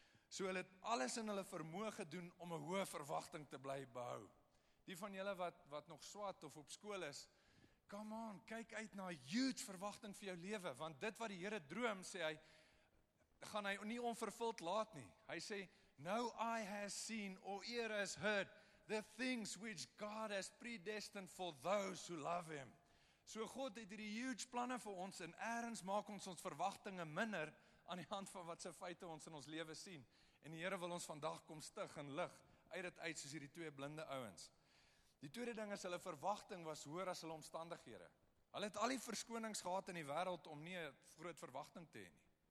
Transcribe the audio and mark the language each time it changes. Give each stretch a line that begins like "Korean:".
Afrikaans: So hulle het alles in hulle vermoë gedoen om 'n hoë verwagting te bly behou. Die van julle wat nog swat of op skool is,
English: come on,
Afrikaans: kyk uit na 'n huge verwagting vir jou lewe, want dit wat die Here droom, sê hy, gaan hy nie onvervuld laat nie. Hy sê,
English: now I have seen or ear has heard the things which God has predestined for those who love him.
Afrikaans: So God het hierdie huge planne vir ons en ergens maak ons verwagtinge minder aan die hand van wat se feite ons in ons lewe sien. En die Here wil ons vandag kom stig en lig uit dit uit soos hierdie twee blinde ouens. Die tweede ding is hulle verwagting was hoër as hulle omstandighede. Hulle het al die verskonings gehad in die wêreld om nie 'n groot verwagting te hê nie.